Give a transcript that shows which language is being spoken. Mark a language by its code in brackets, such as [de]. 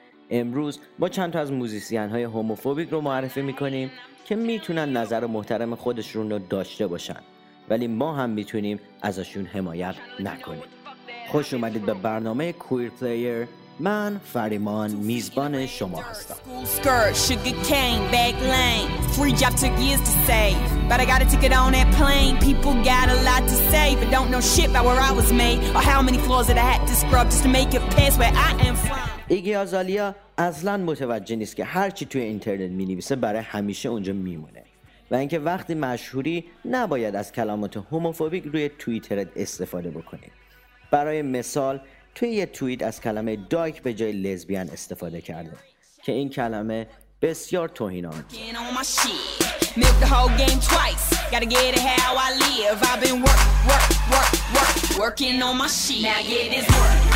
[fa] امروز ما چند تا از موزیسین‌های هوموفوبیک رو معرفی میکنیم که میتونن نظر محترم خودشون رو داشته باشن، ولی ما هم میتونیم ازشون حمایت نکنیم. خوش اومدید به برنامه کویر پلیر. من فریمان میزبان شما هستم. [en] Skirt sugar cane back lane free job took years to save but I got a ticket on that plane people got a lot to say but don't know shit about where I was made or how many floors that I had to scrub just to make it past where I am from. [fa] ایگی آزالیا اصلا متوجه نیست که هر چی توی اینترنت می‌نویسه برای همیشه اونجا میمونه و اینکه وقتی مشهوری نباید از کلمات هوموفوبیک روی توییترت استفاده بکنی. برای مثال توی یه توییت از کلمه دایک به جای لزبیان استفاده کرده که این کلمه بسیار توهین‌آمیزه.